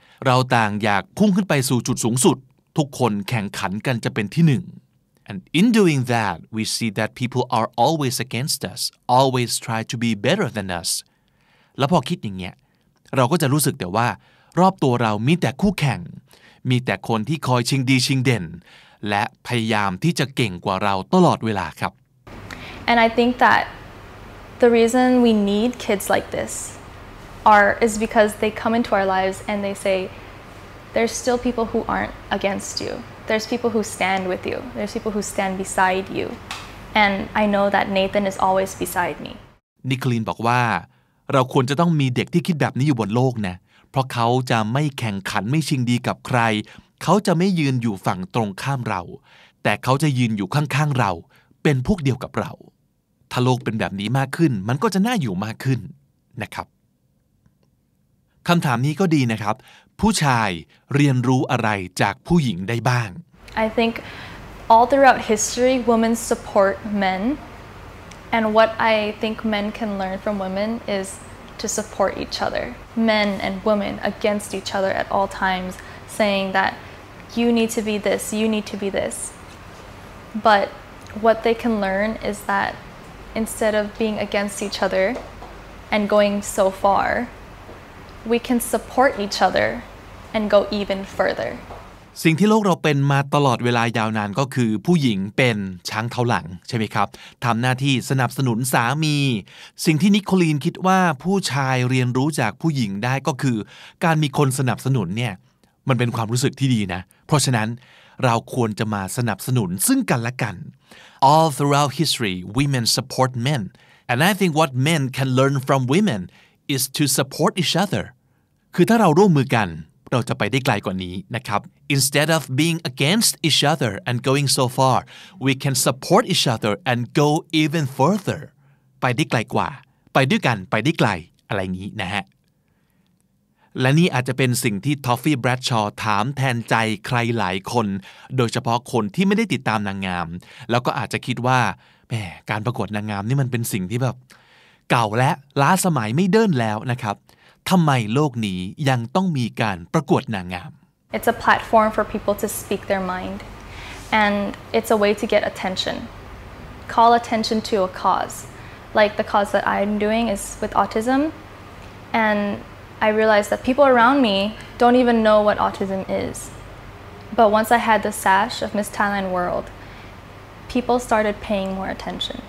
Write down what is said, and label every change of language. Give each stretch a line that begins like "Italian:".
English: เราต่างอยากพุ่งขึ้นไปสู่จุดสูงสุดทุกคนแข่งขันกันจะเป็นที่หนึ่ง And in doing that, we see that people are always against us, always try to be better than us.
Thai: แล้วพอคิดอย่างเงี้ยเราก็จะรู้สึกแต่ว่ารอบตัวเรามีแต่คู่แข่งมีแต่คนที่คอยชิงดีชิงเด่นและพยายามที่จะเก่งกว่าเราตลอดเวลาครับ
English: And I think that the reason we need kids like thisis because they come into our lives and they say there's still people who aren't against you there's people who stand with you there's people who stand beside you and I know that Nathan is always beside me
Thai: นิคลีนบอกว่าเราควรจะต้องมีเด็กที่คิดแบบนี้อยู่บนโลกนะเพราะเขาจะไม่แข่งขันไม่ชิงดีกับใครเขาจะไม่ยืนอยู่ฝั่งตรงข้ามเราแต่เขาจะยืนอยู่ข้างๆเราเป็นพวกเดียวกับเราถ้าโลกเป็นแบบนี้มากขึ้นมันก็จะน่าอยู่มากขึ้นนะครับคำถามนี้ก็ดีนะครับผู้ชายเรียนรู้อะไรจากผู้หญิงได้บ้าง
English: I think all throughout history women support men and what I think men can learn from women is to support each other men and women against each other at all times saying that you need to be this you need to be this but what they can learn is that instead of being against each other and going so farWe can support each other and go even further.
Thai: สิ่งที่โลกเราเป็นมาตลอดเวลายาวนานก็คือผู้หญิงเป็นช้างเท้าหลังใช่ไหมครับทำหน้าที่สนับสนุนสามีสิ่งที่นิโคลีนคิดว่าผู้ชายเรียนรู้จากผู้หญิงได้ก็คือการมีคนสนับสนุนเนี่ยมันเป็นความรู้สึกที่ดีนะเพราะฉะนั้นเราควรจะมาสนับสนุนซึ่งกันและกัน All throughout history, women support men, and I think what men can learn from women.
English: is to support each other. คือถ้าเราร่วมมือกันเราจะไปได้ไกลกว่านี้นะครับ Instead of being against each other and going so far, we can support each other and go even further.
Thai: ไปได้ไกลกว่าไปด้วยกันไปได้ไกลอะไรงี้นะฮะและนี่อาจจะเป็นสิ่งที่ Toffy Bradshaw ถามแทนใจใครหลายคนโดยเฉพาะคนที่ไม่ได้ติดตามนางงามแล้วก็อาจจะคิดว่าแหมการประกวดนางงามนี่มันเป็นสิ่งที่แบบเก่าและล้าสมัยไม่เดินแล้วนะครับทำไมโลกนี้ยังต้องมีการประกวดนางงาม
English: It's a platform for people to speak their mind and it's a way to get attention call attention to a cause like the cause that I'm doing is with autism and I realized that people around me don't even know what autism is but once I had the sash of Miss Thailand WorldPeople started paying more attention.